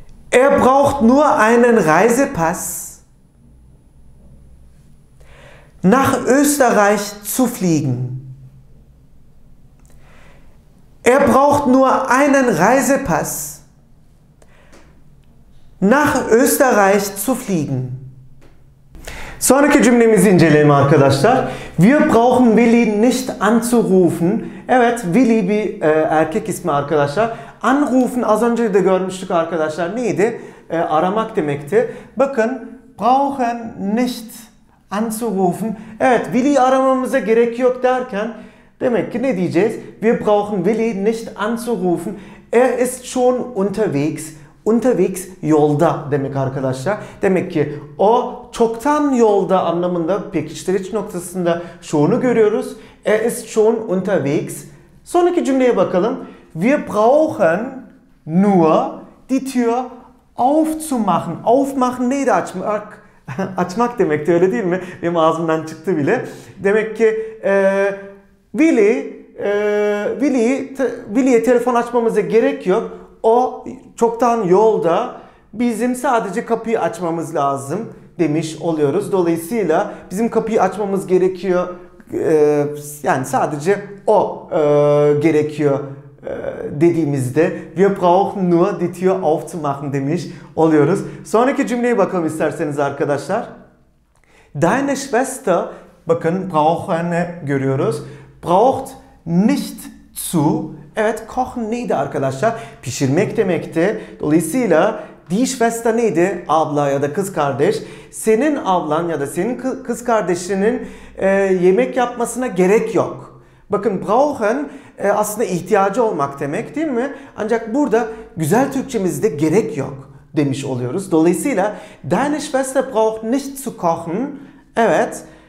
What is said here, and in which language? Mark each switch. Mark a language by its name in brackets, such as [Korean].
[German] Er braucht nur einen Reisepass, nach Österreich zu fliegen. Er braucht nur einen Reisepass, nach Österreich zu fliegen. [Turkish] Sonraki cümlemizi inceleyelim arkadaşlar. [German] Wir brauchen Willi nicht anzurufen. [Turkish] Evet, Willi bir erkek ismi arkadaşlar. Anrufen az önce de görmüştük arkadaşlar. Neydi? Aramak demekti. [German] Bakın, brauchen nicht anzurufen. [Turkish] Evet, Willi'yi aramamıza gerek yok derken demek ki ne diyeceğiz? [German] Wir brauchen Willi nicht anzurufen. Er ist schon unterwegs. Unterwegs [Turkish] yolda demek arkadaşlar. Demek ki o çoktan yolda anlamında pekiştiriş noktasında şunu görüyoruz. [German] Er ist schon unterwegs. [Turkish] Sonraki cümleye bakalım. [German] Wir brauchen nur die Tür aufzumachen. [Turkish] Aufmachen neydi? Açmak. Açmak demekti, öyle değil mi? Benim ağzımdan çıktı bile. Demek ki Willi'ye telefon açmamıza gerek yok. O çoktan yolda, bizim sadece kapıyı açmamız lazım demiş oluyoruz. Dolayısıyla bizim kapıyı açmamız gerekiyor. Yani sadece o gerekiyor dediğimizde [German] wir brauchen nur die Tür aufzumachen [Turkish] demiş oluyoruz. Sonraki cümleye bakalım isterseniz arkadaşlar. [German] Deine Schwester, [Turkish] bakın brauchen'ı görüyoruz. [German] Braucht nicht zu. [Turkish] Evet, kochen neydi arkadaşlar? Pişirmek demekti. Dolayısıyla [German] die Schwester [Turkish] neydi? Abla ya da kız kardeş. Senin ablan ya da senin kız kardeşinin yemek yapmasına gerek yok. Bakın brauchen aslında ihtiyacı olmak demek, değil mi? Ancak burada güzel Türkçemizde gerek yok demiş oluyoruz. Dolayısıyla [German] deine Schwester braucht nicht zu kochen. Evet.